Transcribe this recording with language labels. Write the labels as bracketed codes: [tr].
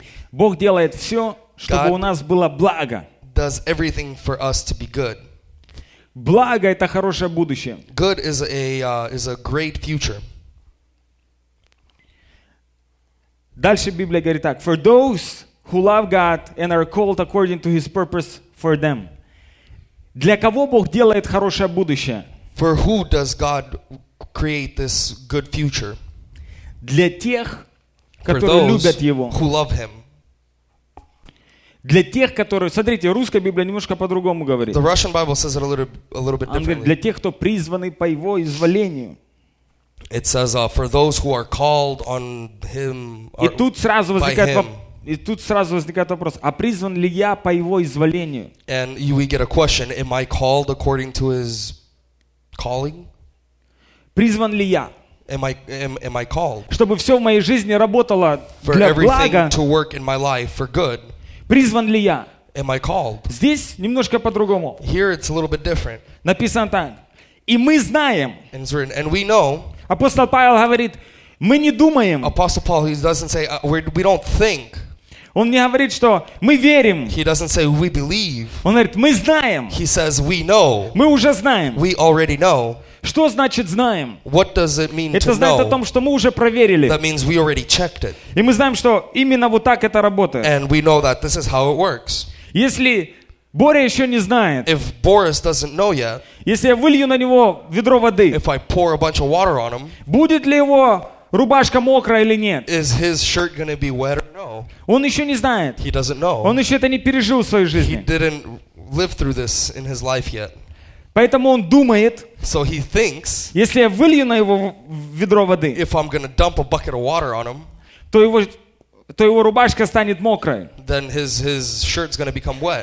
[ru] Бог делает все, чтобы у нас было благо. [en] Does everything for us to be good. [ru] Благо – это хорошее будущее. [en] Good is a great future. [ru] Дальше Библия говорит так. [en] For those who love God and are called according to His purpose for them. [ru] Для кого Бог делает хорошее будущее? [en] For who does God create this good future? [ru] Для тех, которые любят Его. [en] Who love Him. [ru] Для тех, которые... Смотрите, русская Библия немножко по-другому говорит. [en] The Russian Bible says it a little bit differently. [ru] Говорит, для тех, кто призваны по Его изволению. [en] It says, for those who are called on Him, [ru] и тут сразу возникает вопрос. И тут сразу возникает вопрос, а призван ли я по Его изволению? [en] And we get a question, am I called according to His calling? [ru] Призван ли я? [en] Am I called? [ru] Чтобы все в моей жизни работало [en] for [ru] для блага. [en] To work in my life for good. [ru] Призван ли я? [en] Am I called? [ru] Здесь немножко по-другому. [en] Here it's a little bit different. [ru] Написано так. И мы знаем. [en] And it's written, and we know. [ru] Апостол Павел говорит, мы не думаем. [en] Apostle Paul, he doesn't say, we don't think. [ru] Он не говорит, что мы верим. [en] He doesn't say, we believe. [ru] Он говорит, мы знаем. [en] He says, we know. [ru] Мы уже знаем. [en] We already know. [ru] Что значит знаем? [en] What does it mean [ru] это [en] to [ru] знает [en] know? [ru] О том, что мы уже проверили. [en] That means we already checked it. [ru] И мы знаем, что именно вот так это работает. [en] And we know that this is how it works. [ru] Если Боря еще не знает. [en] If Boris doesn't know yet. [ru] Если я вылью на него ведро воды. [en] If I pour a bunch of water on him. [ru] Будет ли его... Рубашка мокрая или нет? [en] Is his shirt gonna be wet or no? [ru] Он еще не знает. [en] He doesn't know. [ru] Он еще это не пережил в своей жизни. [en] He didn't live through this in his life yet. [ru] Поэтому он думает. [en] So he thinks. [ru] Если я вылью на его ведро воды. [en] If I'm gonna dump a bucket of water on him. [ru] То его рубашка станет мокрой. [en] Then his shirt's gonna become wet.